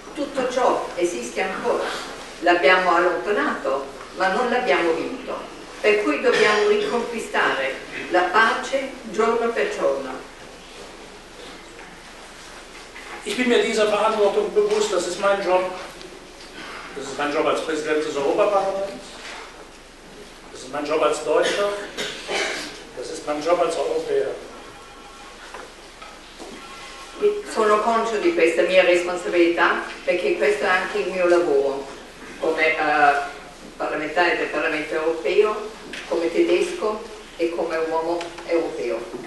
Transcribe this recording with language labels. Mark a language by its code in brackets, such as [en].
[it] Tutto ciò esiste ancora, l'abbiamo allontanato, ma non l'abbiamo vinto. Per cui dobbiamo riconquistare la pace giorno per giorno. [de] Ich bin mir dieser Verantwortung bewusst, das ist mein Job. Das ist mein Job als Präsident des Europaparlaments. Das ist mein Job als Deutscher. Das ist mein Job als Europäer. [it] Sono conscio di questa mia responsabilità perché questo è anche il mio lavoro come parlamentare del Parlamento europeo, come tedesco e come uomo europeo.